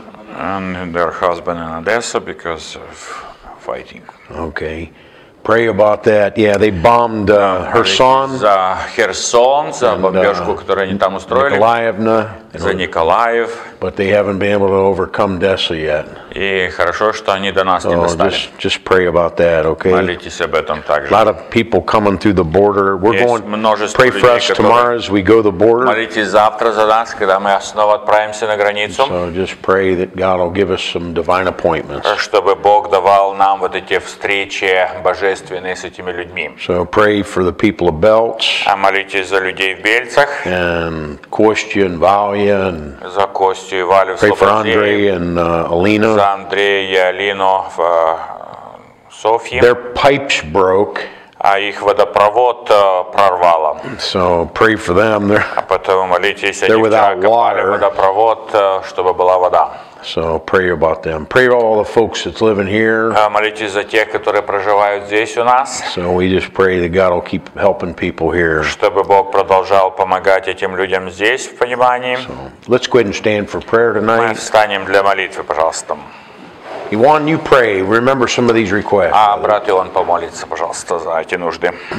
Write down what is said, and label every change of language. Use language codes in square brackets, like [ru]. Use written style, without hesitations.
[en] And their husband in Odessa because of fighting. Okay. Pray about that. Yeah, they bombed Kherson. [ru] За Херсон, за бомбежку, которую они там устроили. Николаевна. За Николаев. [en] But they haven't been able to overcome Odessa yet. [ru] И хорошо, что они до нас не достали. [en] Just pray about that, okay? [ru] Молитесь об этом также. [en] A lot of people coming through the border. We're going. Pray for us tomorrow as we go the border. [ru] Молитесь завтра за нас, когда мы снова отправимся на границу. [en] So just pray that God will give us some divine appointments. [ru] Чтобы Бог давал нам вот эти встречи божественные с этими людьми. [en] So pray for the people of Belts. [ru] А молитесь за людей в Бельцах. [en] And Костю and Валя. [ru] За Костю и Валю. [en] Pray for Andre and Alina. [ru] За Андрея и Алину в Софье. [en] Their pipes broke. [ru] А их водопровод прорвало. [en] So pray for them. They're, [ru] а потом молитесь, они закопали водопровод, чтобы была вода. [en] So pray about them. Pray for all the folks that's living here. [ru] Молитесь за тех, которые проживают здесь у нас. [en] So we just pray that God will keep helping people here. [ru] Чтобы Бог продолжал помогать этим людям здесь в понимании. [en] So let's go ahead and stand for prayer tonight. [ru] Мы встанем для молитвы, пожалуйста. [en] Иван, you pray. Remember some of these requests. [ru] А брат Иван помолится, пожалуйста, за эти нужды.